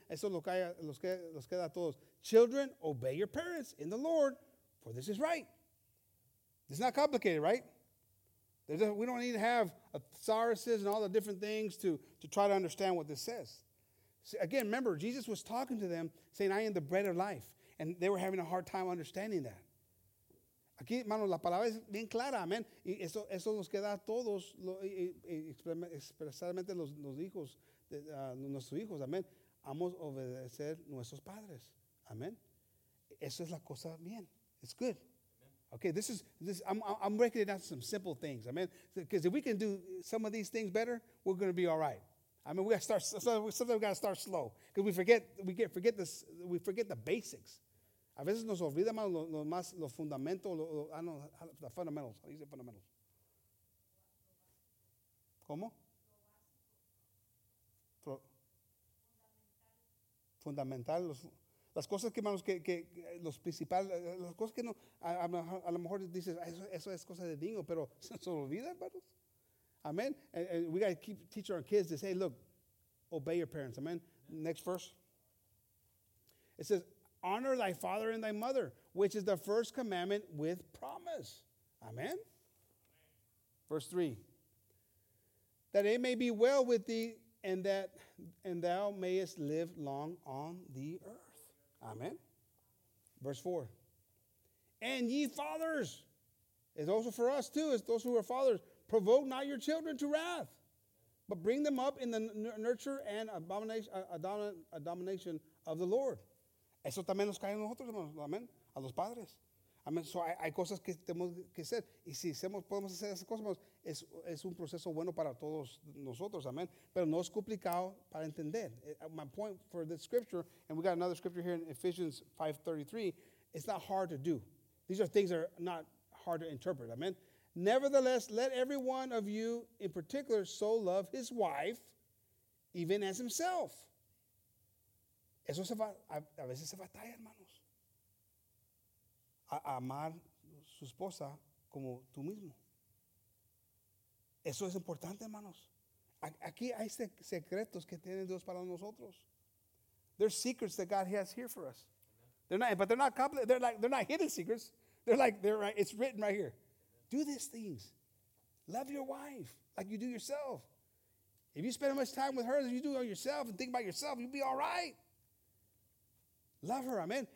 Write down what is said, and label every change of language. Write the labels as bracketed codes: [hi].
[es] Eso es lo que los queda a todos. [en] Children, obey your parents in the Lord, for this is right. It's not complicated, right? We don't need to have thesauruses and all the different things to try to understand what this says. See, again, remember, Jesus was talking to them, saying, I am the bread of life. And they were having a hard time understanding that. [es] Aquí, hermanos, la palabra es bien clara, amén. Y eso nos queda a todos, especialmente los hijos, nuestros hijos, amén. Vamos a obedecer nuestros padres, amén. Eso es la cosa bien. [en] It's good. Okay, I'm breaking it down to some simple things, amen. Because if we can do some of these things better, we're going to be all right. I mean, sometimes we got to start slow because we forget the basics. [es] A veces nos olvidamos los fundamentos, [en] the fundamentals. How do you say fundamentals? [es] ¿Cómo? Fundamental. Las cosas que, hermanos, que los principales, las cosas que no, a lo mejor dices, eso es cosa de niño, pero se nos olvida, hermanos. [en] Amen. And we got to keep teaching our kids to say, look, obey your parents. Amen. Yeah. Next verse. It says, honor thy father and thy mother, which is the first commandment with promise. Amen. Verse 3. That it may be well with thee, and thou mayest live long on the earth. Amen. Verse 4. And ye fathers, it's also for us too, it's those who are fathers, provoke not your children to wrath, but bring them up in the nurture and abomination of the Lord. [es] Eso también nos cae a nosotros, amén, a los padres. Amén. So hay cosas que tenemos que hacer. Y si podemos hacer esas cosas, es un proceso bueno para todos nosotros. Amén. Pero no es complicado para entender. [en] My point for this scripture, and we got another scripture here in Ephesians 5:33, it's not hard to do. These are things that are not hard to interpret. Amén. Nevertheless, let every one of you in particular so love his wife even as himself. [es] Eso se va, a veces se batalla, hermanos. A amar su esposa como tú mismo. Eso es importante, hermanos. Aquí hay secretos que tiene Dios para nosotros. [en] There's secrets that God has here for us. They're not hidden secrets. They're right. It's written right here. Do these things. Love your wife like you do yourself. If you spend as much time with her as you do on yourself and think about yourself, you'll be all right. Love her, amen.